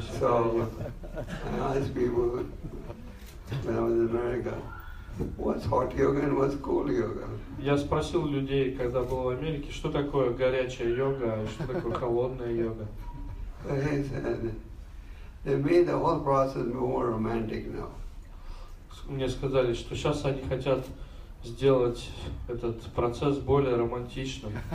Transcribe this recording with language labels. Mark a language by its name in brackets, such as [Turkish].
[Russian] сякая йога. [English] So, I ask people when I was in America, what's hot yoga and what's cold yoga? [Russian] Я спросил людей, когда был в Америке, что такое горячая йога и что такое холодная йога. [English] They said, they made the whole process more romantic now. [Russian] Мне сказали, что сейчас они хотят сделать этот процесс более романтичным.